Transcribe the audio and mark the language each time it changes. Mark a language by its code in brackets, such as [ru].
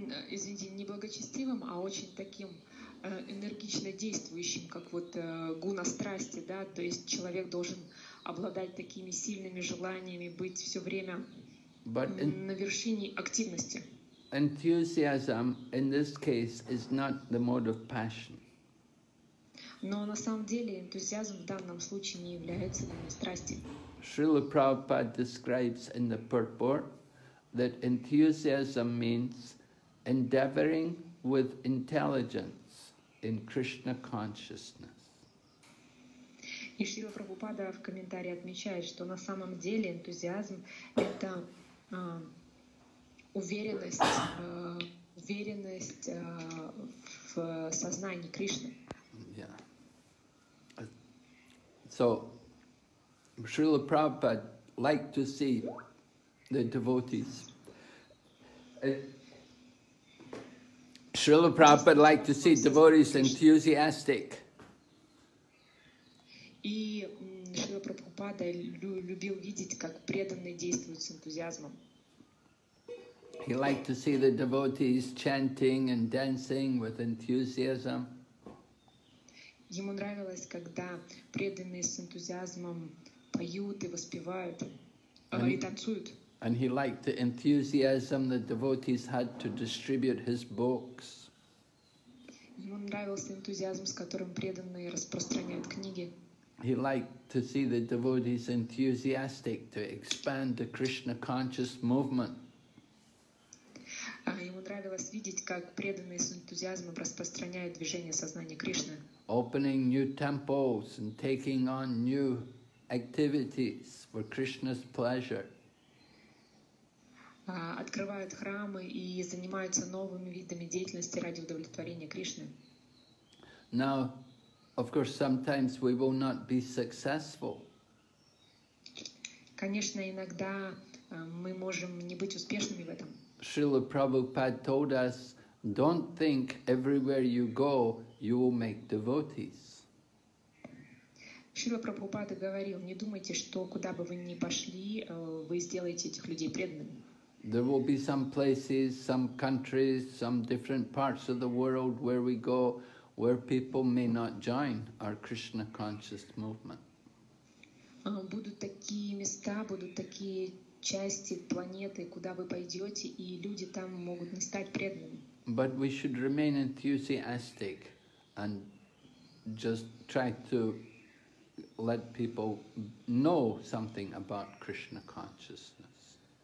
[ru] Извините, не благочестивым, а очень таким энергично действующим, как вот гуна страсти, да, то есть человек должен обладать такими сильными желаниями, быть все время на вершине активности. [en] Enthusiasm in this case is not the mode of passion. [ru] Но на самом деле энтузиазм в данном случае не является гуной страсти. [en] Шрила Прабхупада describes in the purport that enthusiasm means endeavoring with intelligence in Krishna consciousness. [ru] И Шрила Прабхупада в комментарии отмечает, что на самом деле энтузиазм — это уверенность в сознании Кришны. [en] Yeah. So, Шрила Прабхупада liked to see the devotees. Srila Prabhupada liked to see devotees enthusiastic. [ru] И Шрила Прабхупада любил видеть, как преданные действуют с энтузиазмом. [en] He liked to see the devotees chanting and dancing with enthusiasm. [ru] Ему нравилось, когда преданные с энтузиазмом поют и воспевают и танцуют. [en] And he liked the enthusiasm the devotees had to distribute his books. [ru] Ему нравился энтузиазм, с которым преданные распространяют книги. [en] He liked to see the devotees enthusiastic to expand the Krishna conscious movement. [ru] Ему нравилось видеть, как преданные с энтузиазмом распространяют движение сознания Кришны. [en] Opening new temples and taking on new activities for Krishna's pleasure. [ru] Открывают храмы и занимаются новыми видами деятельности ради удовлетворения Кришны. [en] Now, of course, sometimes we will not be successful. [ru] Конечно, иногда мы можем не быть успешными в этом. [en] Шрила Прабхупада told us, don't think everywhere you go, you will make devotees. [ru] Шрила Прабхупада говорил, не думайте, что куда бы вы ни пошли, вы сделаете этих людей преданными. [en] There will be some places, some countries, some different parts of the world where we go, where people may not join our Krishna conscious movement. [ru] Будут такие места, будут такие части планеты, куда вы пойдете, и люди там могут не стать преданными. [en] But we should remain enthusiastic and just try to let people know something about Krishna consciousness.